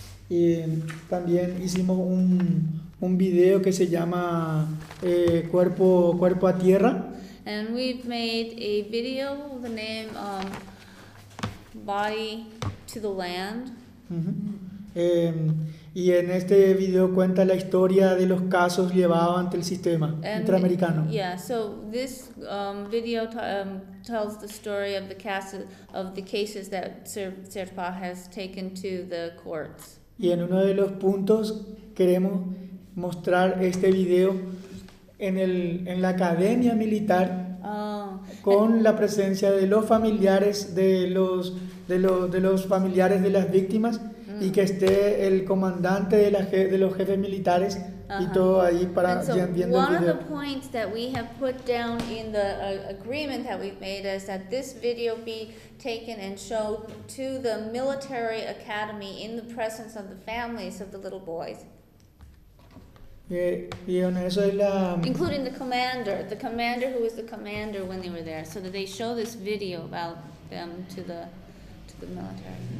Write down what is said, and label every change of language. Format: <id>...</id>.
<es>Y también hicimos un video que se llama cuerpo a tierra.</es> <en>And we've made a video with the name Body to the Land. Uh-huh.</en> <es>Y en este video cuenta la historia de los casos llevados ante el sistema interamericano.</es> <en>Yeah, so this video tells the story of the cases that Serpa has taken to the courts.</en> <es>Y en uno de los puntos queremos mostrar este video en la academia militar la presencia de los familiares de los familiares de las víctimas y que esté el comandante de los jefes militares y todo ahí para viendo el video.</es> <en>One of the points that we have put down in the agreement that we've made is that this video be taken and shown to the military academy in the presence of the families of the little boys. Including the commander who was the commander when they were there, so that they show this video about them to the military.</en>